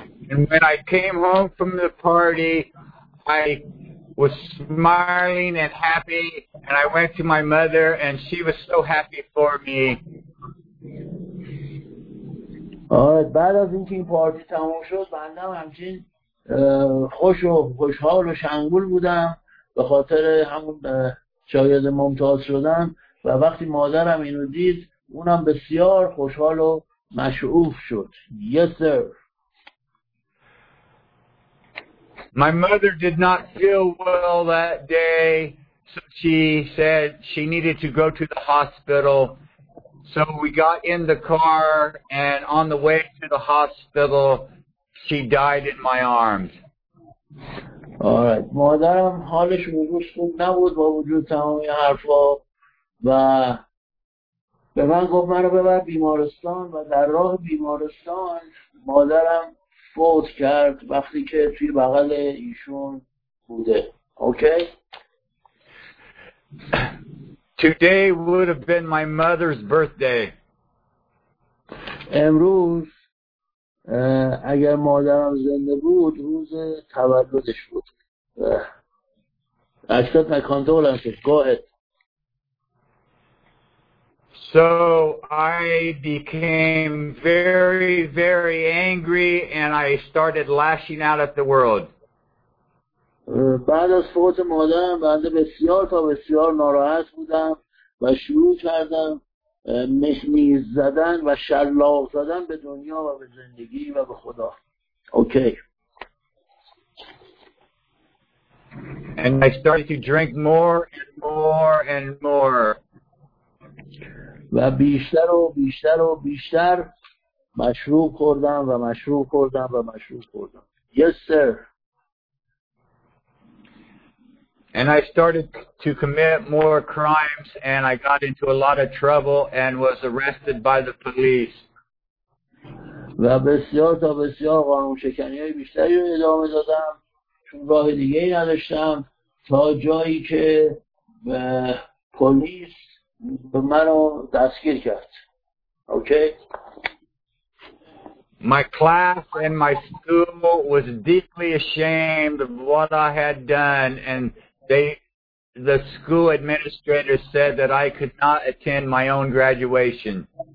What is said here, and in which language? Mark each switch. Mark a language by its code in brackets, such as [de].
[en] And when I came home from the party, I was smiling and happy, and I went to my mother and she was so happy for me. [fa] بعد از اینکه این پارتی تموم شد بندم همچنین خوش و خوشحال و شنگول بودم به خاطر همون شاگرد ممتاز شدن، و وقتی مادرم اینو دید اونم بسیار خوشحال و مشعوف شد. [en] Yes sir. My mother did not feel well that day, so she said she needed to go to the hospital. So we got in the car, and on the way to the hospital, she died in my arms. All right. [fa] مادرم حالش وجود خوب نبود با وجود تمامی حرفا، و به من گفت من رو ببر بیمارستان، و در راه بیمارستان مادرم فوت کرد وقتی که توی بغل ایشون بوده. [en] Okay. Today would have been my mother's birthday. [fa] امروز اگر مادرم زنده بود روز تولدش بود. [en] Accept my condolences. Go ahead. So I became very, very angry and I started lashing out at the world. [fa] بعد از فوت مادرم بنده بسیار تا بسیار ناراحت بودم و شروع کردم مهمیز زدن و شلاق زدن به دنیا و به زندگی و به خدا. [en] Okay. And I started to drink more and more and more. [fa] و بیشتر و بیشتر و بیشتر مشروب خوردم و مشروب خوردم و مشروب خوردم. [en] Yes sir. And I started to commit more crimes and I got into a lot of trouble and was arrested by the police. [fa] و بسیار تا بسیار قانون شکنی های بیشتری رو ادامه دادم، چون راه دیگه ای نداشتم، تا جایی که به پلیس منو دستگیر کرد. [en] Okay. My class and my school was deeply ashamed of what I had done, and the school administrator said that I could not attend my own graduation.